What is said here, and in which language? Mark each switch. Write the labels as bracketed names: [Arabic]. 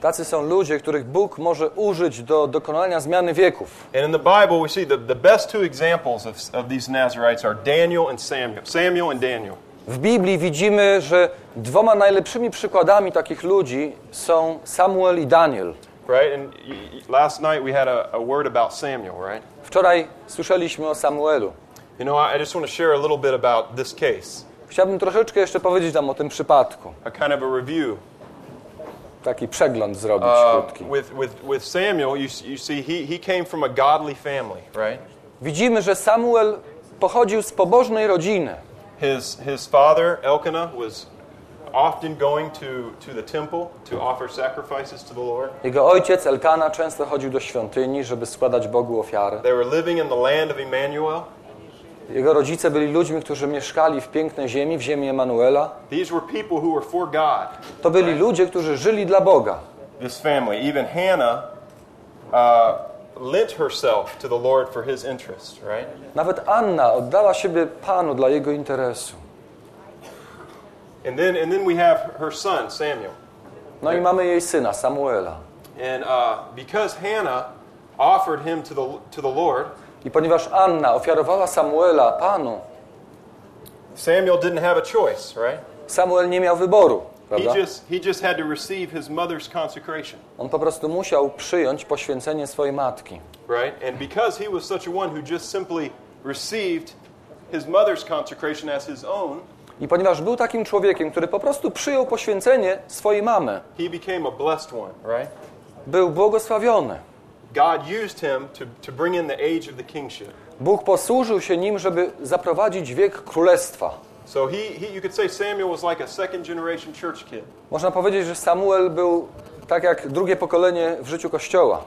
[Polish] Tacy są ludzie, których Bóg może użyć do dokonania zmiany wieków. [English] And in the Bible we see the best two examples of these Nazarites are Daniel and Samuel. Samuel and Daniel. [Polish] W Biblii widzimy, że dwoma najlepszymi przykładami takich ludzi są Samuel i Daniel. [English] Right? And last night we had a word about Samuel, right? [Polish] Wczoraj słyszeliśmy o Samuelu. [English] You know, I just want to share a little bit about this case. [Polish] Chciałbym troszeczkę jeszcze powiedzieć nam o tym przypadku. [English] A kind of a review. [Polish] Taki przegląd zrobić krótki. [English] With Samuel, you see, he came from a godly family, right? [Polish] Widzimy, że Samuel pochodził z pobożnej rodziny. [English] His father, Elkanah, was often going to the temple to offer sacrifices to the Lord. [Polish] Jego ojciec Elkana często chodził do świątyni, żeby składać Bogu ofiary. [English] They were living in the land of Emmanuel. [Polish] Jego rodzice byli ludźmi, którzy mieszkali w pięknej ziemi, w ziemi Emanuela. [English] These were people who were for God. [Polish] To byli ludzie, którzy żyli dla Boga. [English] This family, even Hannah, lent herself to the Lord for his interest, right? [Polish] Nawet Anna oddała siebie Panu dla jego interesu. [English] And then we have her son, Samuel. [Polish] No i mamy jej syna, Samuela. [English] And because Hannah offered him to the Lord, [Polish] i ponieważ Anna ofiarowała Samuela Panu, [English] Samuel didn't have a choice, right? [Polish] Samuel nie miał wyboru, prawda? [English] He just had to receive his mother's consecration. [Polish] On po prostu musiał przyjąć poświęcenie swojej matki. [English] Right? And because he was such a one who just simply received his mother's consecration as his own, [Polish] i ponieważ był takim człowiekiem, który po prostu przyjął poświęcenie swojej mamy, [English] he became a blessed one, right? [Polish] Był błogosławiony. [English] God used him to bring in the age of the kingship. [Polish] Bóg posłużył się nim, żeby zaprowadzić wiek królestwa. [English] So he you could say Samuel was like a second generation church kid. [Polish] Można powiedzieć, że Samuel był tak jak drugie pokolenie w życiu kościoła.